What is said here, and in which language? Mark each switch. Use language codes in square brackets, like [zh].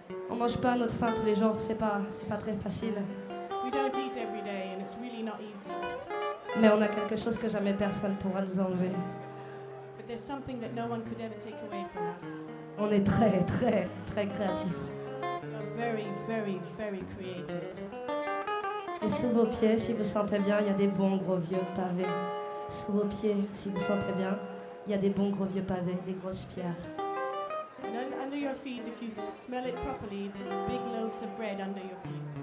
[fr] On mange pas notre faim tous les jours, c'est pas très facile. [en] We don't eat every day and it's really not easy. [fr] Mais on a quelque chose que jamais personne pourra nous enlever. [en] But there's something that no one could ever take away from us. [fr] On est très très très créatif. [en] You're very very very creative. [fr] Et sous vos pieds, si vous sentez bien, il y a des bons gros vieux pavés. Sous vos pieds, si vous sentez bien, il y a des bons gros vieux pavés, des grosses pierres. [en] And under your feet, if you smell it properly, there's big loaves of bread under your feet.